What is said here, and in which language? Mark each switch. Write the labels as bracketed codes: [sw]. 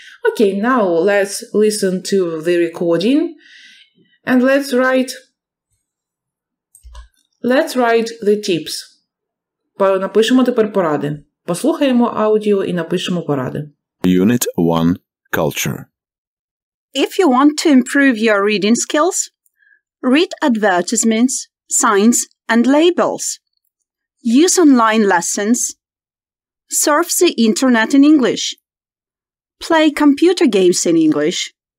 [en] Okay, now let's listen to the recording and let's write the tips. [uk] Напишемо тепер поради. Послухаємо аудіо і напишемо поради. [en] Unit 1 Culture. If you want to improve your reading skills, read advertisements, signs, and labels. Use online lessons. Surf the internet in English. Play computer games in English.